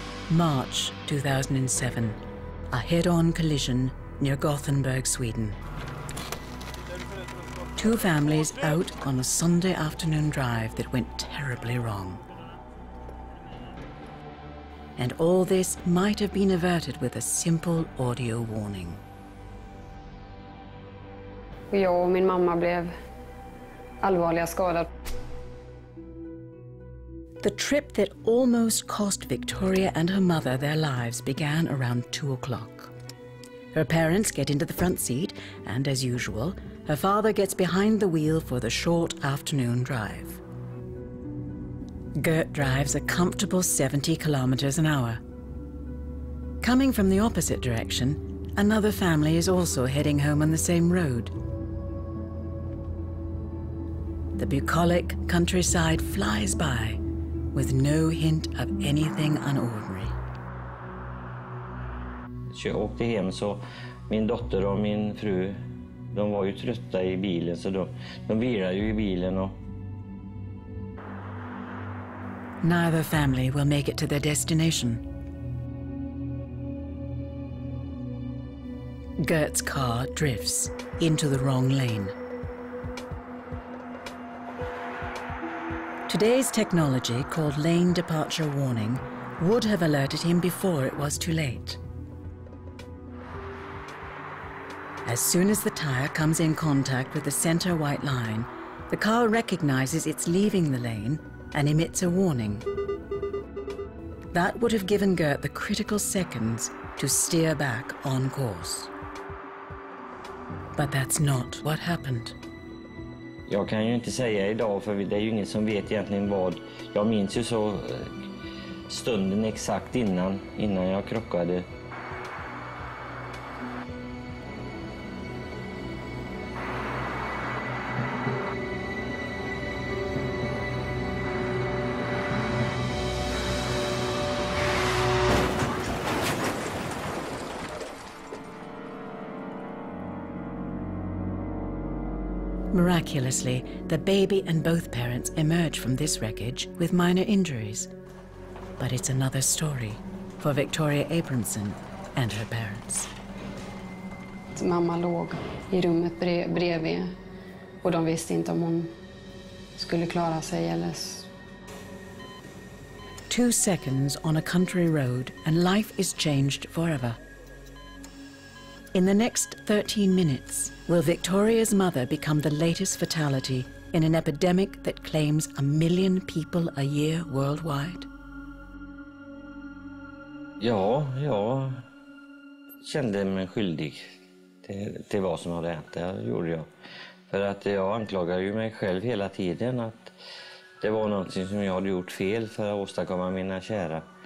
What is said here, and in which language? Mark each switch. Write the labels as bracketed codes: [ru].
[en] March 2007, a head-on collision near Gothenburg, Sweden. Two families out on a Sunday afternoon drive that went terribly wrong. And all this might have been averted with a simple audio warning. [sv] Jag och min mamma blev allvarliga skadad. [en] The trip that almost cost Victoria and her mother their lives began around 2 o'clock. Her parents get into the front seat, and as usual, Her father gets behind the wheel for the short afternoon drive. Gert drives a comfortable 70 kilometers an hour. Coming from the opposite direction, another family is also heading home on the same road. The bucolic countryside flies by with no hint of anything unordinary. [sv] Jag åkte hem så min dotter och min fru, de var ju trötta I bilen så de vilade ju I bilen och [en] Neither family will make it to their destination. Gert's car drifts into the wrong lane. Today's technology, called lane departure warning, would have alerted him before it was too late. As soon as the tire comes in contact with the center white line, the car recognizes it's leaving the lane and emits a warning. That would have given Gert the critical seconds to steer back on course. But that's not what happened. [sv] Jag kan ju inte säga idag för det är ju ingen som vet egentligen vad. Jag minns ju så stunden exakt innan jag krockade. [en] Miraculously, the baby and both parents emerge from this wreckage with minor injuries. But it's another story for Victoria Abramson and her parents. [sv] Mamma låg I rummet bredvid och de visste inte om hon skulle klara sig eller. [en] 2 seconds on a country road and life is changed forever. In the next 13 minutes, will Victoria's mother become the latest fatality in an epidemic that claims 1 million people a year worldwide? [sv] Ja, jag kände mig skyldig till vad som hade hänt. Det gjorde jag. För att jag anklagade ju mig själv hela tiden att det var någonting som jag hade gjort fel för att åstadkomma mina kära.